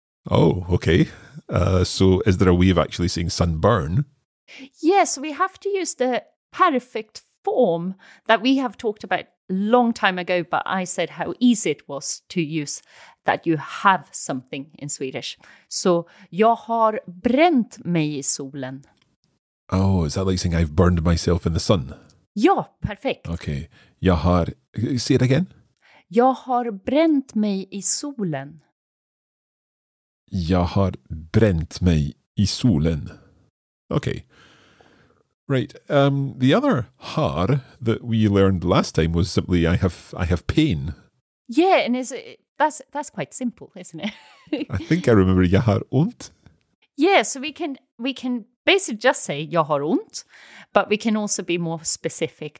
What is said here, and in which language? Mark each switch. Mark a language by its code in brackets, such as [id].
[en] Oh, okay. So is there a way of actually saying sunburn? Yes, we have to use the perfect form that we have talked about long time ago, but I said how easy it was to use that you have something in Swedish. [sv] So, jag har bränt mig I solen. [en] Oh, is that like saying I've burned myself in the sun? [sv] Ja, perfekt. [en] Okay. [sv] Jag har, [en] say it again. [sv] Jag har bränt mig I solen. Jag har bränt mig I solen. [en] Okay. Right. The other har that we learned last time was simply I have pain. Yeah, and that's quite simple, isn't it? I think I remember [sv] jag har ont. [en] Yeah, so we can basically just say [sv] jag har ont, [en] but we can also be more specific.